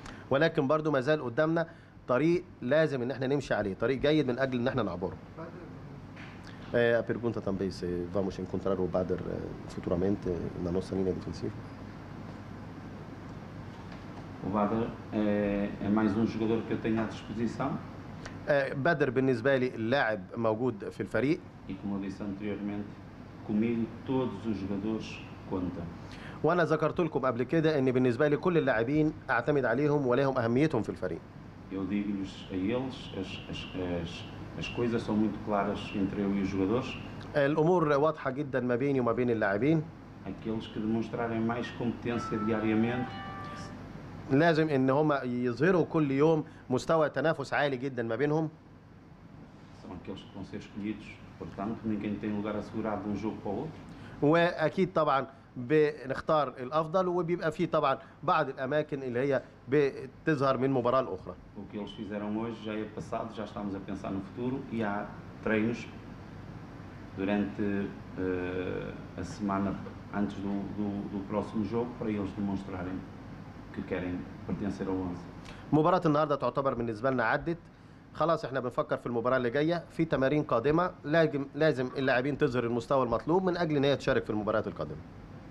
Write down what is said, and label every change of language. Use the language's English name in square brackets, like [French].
[Arabic] ولكن برضو ما زال قدامنا طريق لازم ان احنا نمشي عليه، طريق جيد من اجل ان احنا نعبره. [Portuguese] A pergunta também se vamos encontrar o Badr futuramente na nossa linha defensiva. O Badr é mais jogador que eu tenho à disposição. [Arabic] Badr بالنسبة لي اللاعب موجود في الفريق. [Portuguese] E como eu disse anteriormente, comigo todos os jogadores contam. [Arabic] وانا ذكرت لكم قبل كده ان بالنسبه لي كل اللاعبين اعتمد عليهم ولهم اهميتهم في الفريق. [Portuguese] Eu digo-lhes a eles as coisas são muito claras entre eu e os jogadores. [Arabic] الامور واضحه جدا ما بيني وما بين اللاعبين. [Portuguese] Aqueles que demonstrarem mais competência diariamente. [Arabic] لازم ان هم يظهروا كل يوم مستوى تنافس عالي جدا ما بينهم. [Portuguese] São aqueles que vão ser escolhidos. Portanto, ninguém tem lugar assegurado de um jogo para o outro. [Arabic] واكيد طبعا بنختار الافضل وبيبقى في طبعا بعض الاماكن اللي هي بتظهر من مباراه الاخرى. [Portuguese] Okay, eles fizeram hoje já é passado, já estamos a pensar no futuro e há treinos durante a semana antes do próximo jogo para eles demonstrarem que querem pertencer ao 11. [Arabic] مباراه النهارده تعتبر بالنسبه لنا عدت خلاص احنا بنفكر في المباراه اللي جايه في تمارين قادمه لازم اللاعبين تظهر المستوى المطلوب من اجل ان هي تشارك في المباراه القادمه.